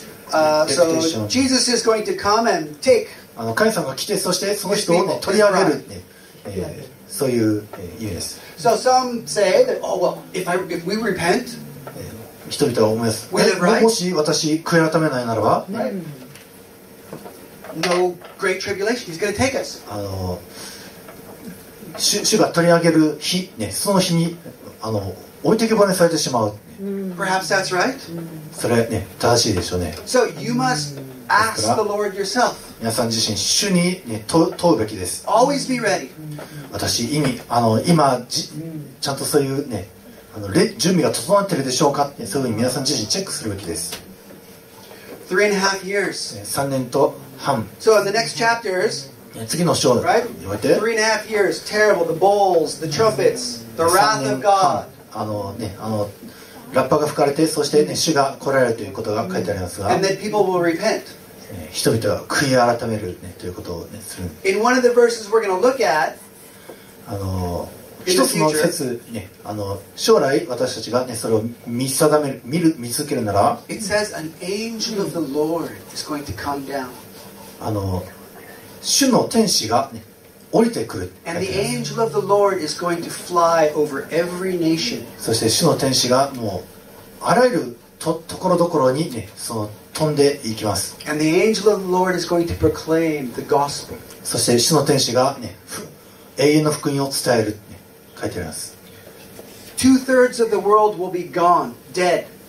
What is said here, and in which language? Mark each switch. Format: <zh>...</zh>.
<en>So Jesus is going to come and take.</en> <ja>あの神様が来て、そしてその人を、ね、取り上げる、ね、そういう、意味です。</ja> <en>So some say that, oh, well, if we repent,</en> <ja>人々は思います。もし私悔い改めないならば、</ja> <en>No great tribulation. He's going to take us.</en> <ja>主が取り上げる日、ね、その日に置いてけぼれされてしまう。</ja> <en>Perhaps that's right.</en> <ja>それね、正しいでしょうね。</ja> <en>So you must ask the Lord yourself.</en> <ja>皆さん自身主に、ね、問うべきです。</ja> <en>Always be ready.</en> <ja>私意味今ちゃんとそういう、ね、準備が整っているでしょうか、ね、そういうふうに皆さん自身チェックするべきです。</ja> <en>Three and a half years.</en> <ja>3年と半、</ja> <en>so、the next chapters,</en> <ja>次の章において 3年半</ja> <en>years, terrible, the bowls, the trumpets, the wrath of God.</en> <ja>ラッパが吹かれて、そして、ね、主が来られるということが書いてありますが、</ja> <en>and then people will repent.</en> <ja>人々は悔い改める、ね、ということを、ね、する。</ja> <en>In one of the verses we're going to look at,</en> <ja>一つの説ね、あの将来私たちが、ね、それを見定める、見る、見続けるなら、</ja> <en>It says an angel of the Lord is going to come down.</en> <ja>あの主の天使が、ね、降りてくる。</ja> <en>And the angel of the Lord is going to fly over every nation.</en> <ja>そして主の天使がもうあらゆる ところどころに、ね、その飛んでいきます。</ja> <en>And the angel of the Lord is going to proclaim the gospel.</en> <ja>そして主の天使が、ね、永遠の福音を伝える。書いてあります。</ja> <en>Two-thirds of the world will be gone, dead.</en>